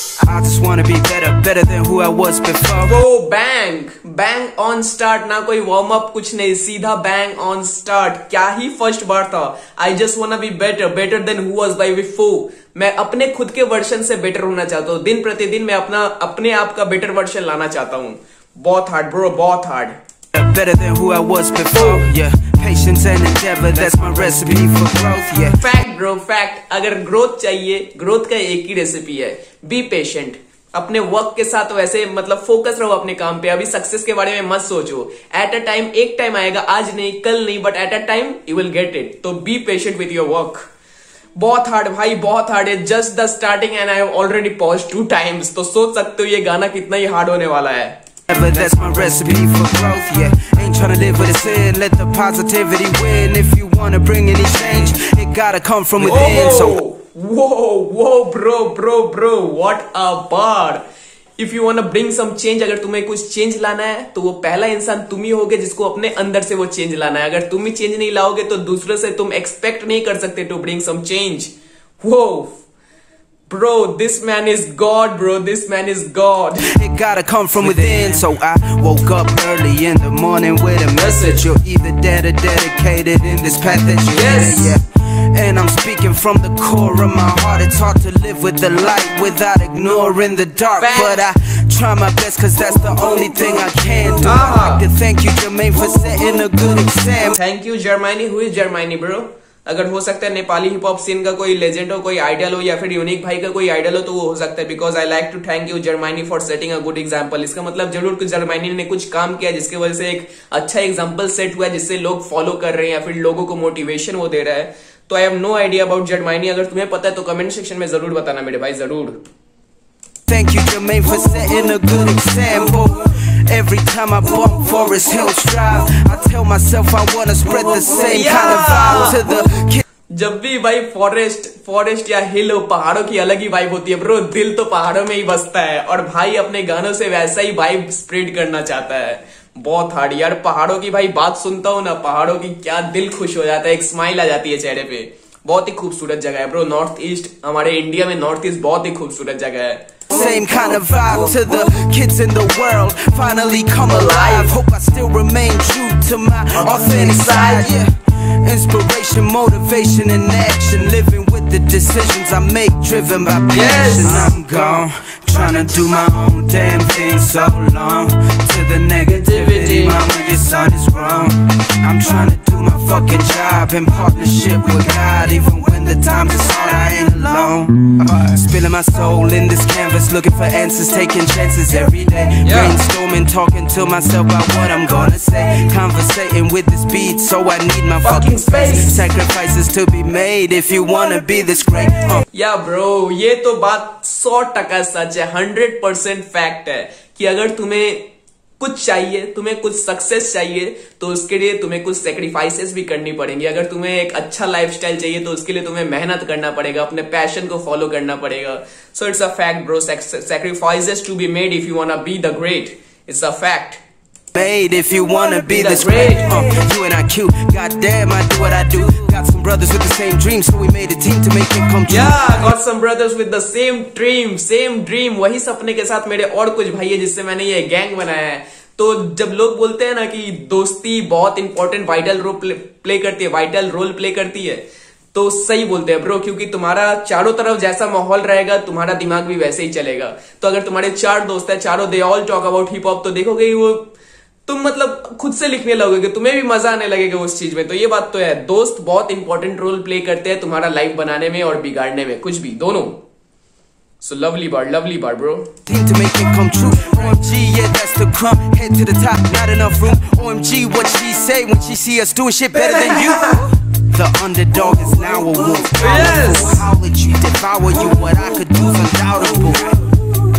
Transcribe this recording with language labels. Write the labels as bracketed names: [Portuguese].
[English] I just wanna be better, better than who I was before. Oh, bang, bang on start. [Hindi] ना कोई warm up कुछ नहीं, सीधा bang on start. क्या ही first बार था। [English] I just wanna be better, better than who was by before. [Hindi] मैं अपने खुद के version से better होना चाहता हूँ। दिन प्रतिदिन मैं अपने आप का better version लाना चाहता हूँ। बहुत hard, bro, बहुत hard. [English] Better than who I was before. Yeah. Patience and endeavor, that's my recipe for growth. Yeah. Fact, bro, fact. [Hindi] अगर growth चाहिए, growth का एक ही recipe है. [English] Be patient. [Hindi] अपने वर्क के साथ वैसे मतलब फोकस रहो अपने काम पे। अभी सक्सेस के बारे में मत सोचो। [English] at a time, [Hindi] एक टाइम आएगा, आज नहीं कल नहीं, [English] But at a time you will get it. [Hindi] तो [English] Be patient with your work. [Hindi] बहुत हार्ड भाई, बहुत हार्ड है। [English] Just the starting and I have already pause two times. [Hindi] तो सोच सकते हो ये गाना कितना ही हार्ड होने वाला है। [English] But that's my recipe for growth, yeah. Ain't tryna live with a sin, let the positivity win. If you wanna bring any change, it gotta come from within. So whoa, bro, what a bar. If you wanna bring some change, [Hindi] अगर तुम्हें कुछ change लाना है तो वो पहला इंसान तुम ही होगे जिसको अपने अंदर से वो चेंज लाना है। अगर तुम ही चेंज नहीं लाओगे तो दूसरे से तुम एक्सपेक्ट नहीं कर सकते [English] To bring some change. वो Bro, this man is God, bro, this man is God. It gotta come from within. So I woke up early in the morning with a message. You're either dead or dedicated in this path that you're yes. in, yeah. And I'm speaking from the core of my heart. It's hard to live with the light without ignoring the dark. Fact. But I try my best cause that's the only thing I can do. Uh-huh. I'd like to thank you, Jermaine, for setting a good example. Thank you, Jermaine. Who is Jermaine, bro? [Hindi] अगर हो सकता है Nepali hip hop scene का कोई legend हो, कोई idol हो, या फिर यूनिक भाई का कोई आइडल हो तो वो हो सकता है। [English] Because I like to thank you Germany for setting a good example. [Hindi] इसका मतलब जरूर कुछ जर्मनी ने कुछ काम किया जिसके वजह से एक अच्छा एग्जांपल सेट हुआ जिससे लोग फॉलो कर रहे हैं या फिर लोगों को मोटिवेशन वो दे रहा है। तो [English] I have no idea about [Hindi] Germany. अगर तुम्हें पता है तो कमेंट सेक्शन में जरूर बताना मेरे भाई, जरूर। [English] Thank you, Jermaine, for setting a good example. Every time I walk Forest Hills Drive, I tell myself I wanna spread the same kind of vibe to the kids. [Hindi] जब भी भाई forest या हिल हो, पहाड़ों की अलग ही वाइब होती है ब्रो। दिल तो पहाड़ों में ही बसता है और भाई अपने गानों से वैसा ही वाइब स्प्रेड करना चाहता है। बहुत हार्ड यार, पहाड़ों की भाई बात सुनता हूँ ना, पहाड़ों की क्या दिल खुश हो जाता है, एक स्माइल आ जाती है चेहरे पे। बहुत ही खूबसूरत जगह है ब्रो, नॉर्थ ईस्ट, हमारे इंडिया में नॉर्थ ईस्ट बहुत ही खूबसूरत जगह है। [English] Same kind of vibe to the kids in the world, finally come alive. Hope I still remain true to my authentic side. Yeah. Inspiration, motivation, and action. Living with the decisions I make, driven by passion. Yes. I'm gone, trying to do my own damn thing. So long to the negativity, mama, your son is wrong. I'm trying to do my fucking job in partnership with God, even when the times is hard. I ain't alone. Spilling my soul in this canvas, looking for answers, taking chances every day. Yeah. Brainstorming, talking to myself about what I'm gonna say. Conversating with this beat, so I need my fucking space. Sacrifices to be made if you wanna be this great. Yeah, bro, [Hindi] ye to baat 100% sach hai, 100% fact hai ki agar tumhe कुछ चाहिए, तुम्हें कुछ success चाहिए तो उसके लिए तुम्हें कुछ सेक्रीफाइसेस भी करनी पड़ेंगी। अगर तुम्हें एक अच्छा लाइफस्टाइल चाहिए तो उसके लिए तुम्हें मेहनत करना पड़ेगा, अपने पैशन को फॉलो करना पड़ेगा। [English] So it's a fact bro, sacrifices to be made if you want to be the great. It's a fact made if you want to be the great. You and I cue, goddamn I do what I do. Got some brothers with the same dream, so we made a team to make it come true. Yeah, got some brothers with the same dream. वही सपने के साथ मेरे और कुछ भाई है जिससे मैंने ये गैंग बनाया है। तो जब लोग बोलते हैं ना कि दोस्ती बहुत इंपॉर्टेंट वाइटल रोल प्ले करती है, तो सही बोलते हैं ब्रो, क्योंकि तुम्हारा चारों तरफ जैसा माहौल रहेगा तुम्हारा दिमाग भी वैसे ही चलेगा। तो अगर तुम्हारे चार दोस्त है, चारों they all talk about hip hop, तो देखोगे वो तुम मतलब खुद से लिखने लगोगे, तुम्हें भी मजा आने लगेगा उस चीज में। तो ये बात तो है, दोस्त बहुत इंपॉर्टेंट रोल प्ले करते हैं तुम्हारा लाइफ बनाने में और बिगाड़ने में, कुछ भी दोनों। So lovely bar, bro. Think to make it come true. OMG, yeah, that's the crumb. Head to the top, not enough room. OMG, what she say when she see us doing shit better than you? The underdog is now a wolf. Yes. I'll let you devour you. What I could do is undoubtable.